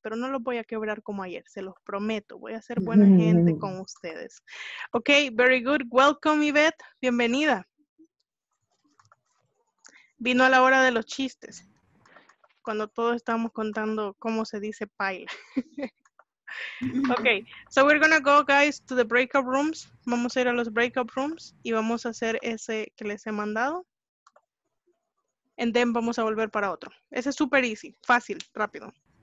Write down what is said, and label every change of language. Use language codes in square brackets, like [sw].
[es] Pero no los voy a quebrar como ayer, se los prometo. Voy a ser buena gente con ustedes. [en] Ok, very good. Welcome, Yvette. [es] Bienvenida. Vino a la hora de los chistes. Cuando todos estamos contando cómo se dice paila. [en] Okay, so we're gonna go, guys, to the breakup rooms. [es] Vamos a ir a los breakup rooms y vamos a hacer ese que les he mandado. [en] And then [es] vamos a volver para otro. Ese es super easy, fácil, rápido.